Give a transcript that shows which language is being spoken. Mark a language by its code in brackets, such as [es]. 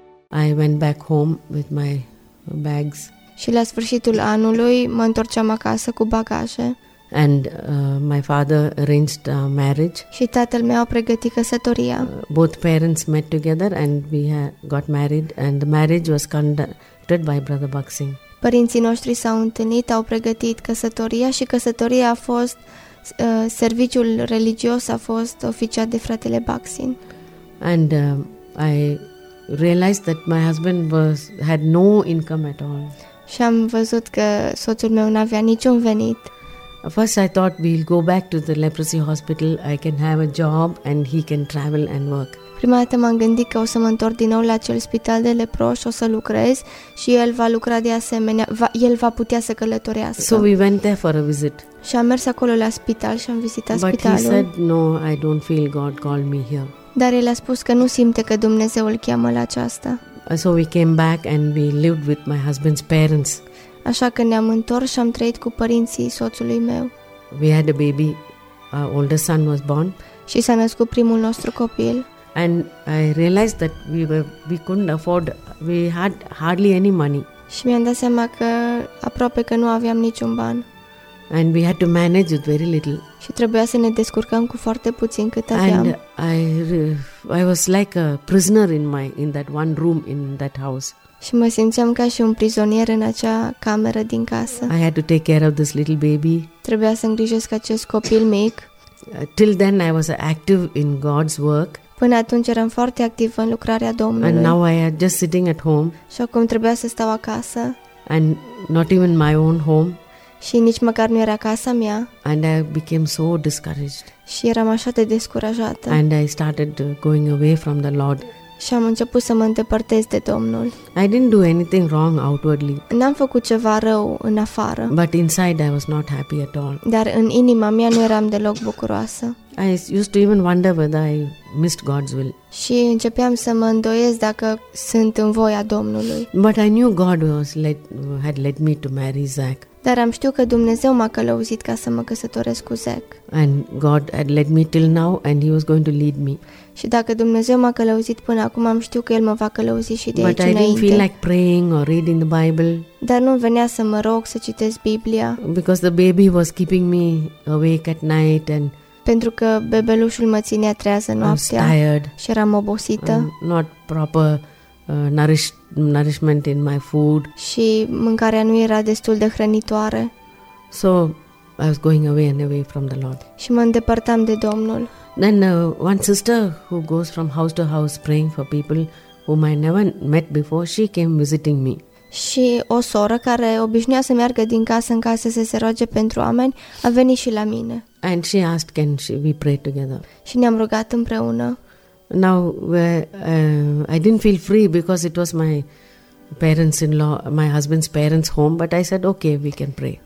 [en] I went back home with my bags. [ro] Și la sfârșitul anului mă întorceam acasă cu bagaje. [en] And my father arranged a marriage. [ro] Și tatăl meu a pregătit căsătoria. [en] Both parents met together and we got married and the marriage was conducted by Brother Bhak Singh. [ro] Părinții noștri s-au întâlnit, au pregătit căsătoria și căsătoria a fost serviciul religios a fost oficiat de fratele Bhak Singh. [en] And I realized that my husband had no income at all. [ro] Și am văzut că soțul meu n-avea niciun venit. [en] First I thought we'll go back to the leprosy hospital, I can have a job and he can travel and work. [ro] Prima dată m-am gândit că o să mă întorc din nou la acel spital de leproși, o să lucrez și el va lucra de asemenea, el va putea să călătorească. [en] So we went there for a visit. [ro] Și am mers acolo la spital și am vizitat [en] But [ro] spitalul. [en] But he said, no, I don't feel God called me here. [ro] Dar el a spus că nu simte că Dumnezeu îl cheamă la aceasta. [en] So we came back and we lived with my husband's parents. [ro] Așa că ne-am întors și am trăit cu părinții soțului meu. [en] We had a baby. Our older son was born. [ro] Și s-a născut primul nostru copil. [en] And I realized that we couldn't afford, we had hardly any money. [ro] Și mi-am dat seama că aproape că nu aveam niciun ban. [en] And we had to manage with very little. [ro] Și trebuia să ne descurcăm cu foarte puțin cât aveam. [en] And I was like a prisoner in that one room in that house. [ro] Și mă simțeam ca și un prizonier în acea cameră din casă. [en] I had to take care of this little baby. [ro] Trebuia să îngrijesc acest copil mic. [en] Till then I was active in God's work. [ro] Până atunci eram foarte activ în lucrarea Domnului. [en] And now I am just sitting at home. [ro] Și acum trebuia să stau acasă. [en] And not even my own home. [ro] Și nici măcar nu era casa mea. [en] And I became so discouraged. [ro] Și eram așa de descurajată. [en] And I started going away from the Lord. [ro] Și am început să mă îndepărtez de Domnul. [en] I didn't do anything wrong outwardly. [ro] N-am făcut ceva rău în afară. [en] But inside I was not happy at all. [ro] Dar în inima mea nu eram deloc bucuroasă. [en] I used to even wonder whether I missed God's will. [ro] Și începeam să mă îndoiesc dacă sunt în voia Domnului. [en] But I knew God had led me to marry Zach. [ro] Dar am știut că Dumnezeu m-a călăuzit ca să mă căsătoresc cu Zach. [en] And God had led me till now and he was going to lead me. [ro] Și dacă Dumnezeu m-a călăuzit până acum, am știut că El mă va călăuzi și de [en] But [ro] aici înainte. [en] But I didn't feel like praying or reading the Bible. [ro] Dar nu venea să mă rog să citesc Biblia. [en] Because the baby was keeping me awake at night and [ro] pentru că bebelușul mă ținea trează noaptea. [en] I was tired. [ro] Și eram obosită. [en] Not proper nourishment in my food. [ro] Și mâncarea nu era destul de hrănitoare. [en] So I was going away and away from the Lord. [ro] Și mă îndepărtam de Domnul. [en] Then one sister who goes from house to house praying for people whom I never met before, she came visiting me. [ro] Și o soră care obișnuia să meargă din casă în casă să se roage pentru oameni a venit și la mine. [en] And she asked, can we pray together? [ro] Și ne-am rugat împreună. [en] Now I didn't feel free because it was my parents-in-law, my husband's parents' home, but I said, okay, we can pray.